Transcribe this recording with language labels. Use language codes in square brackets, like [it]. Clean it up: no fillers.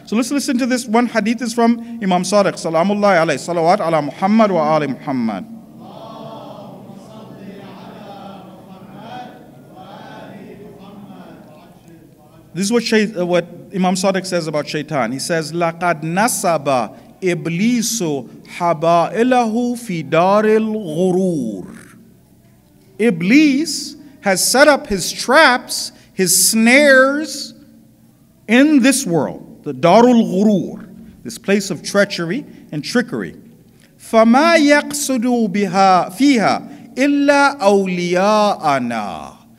[en] So let's listen to this one hadith. Is from Imam Sadiq. Salamullahi alayhi salawat ala Muhammad wa ali Muhammad. This is what Imam Sadiq says about shaitan. He says, [ar] لَقَدْ نَسَبَ إِبْلِيسُ حَبَائِلَهُ فِي دَارِ الْغُرُورِ. [en] Iblis has set up his traps, his snares in this world, the [ar] دَارُ الْغُرُورِ, [en] this place of treachery and trickery. [ar] فَمَا يَقْصُدُ بِهَا فِيهَا إِلَّا أَوْلِيَاءَنَا.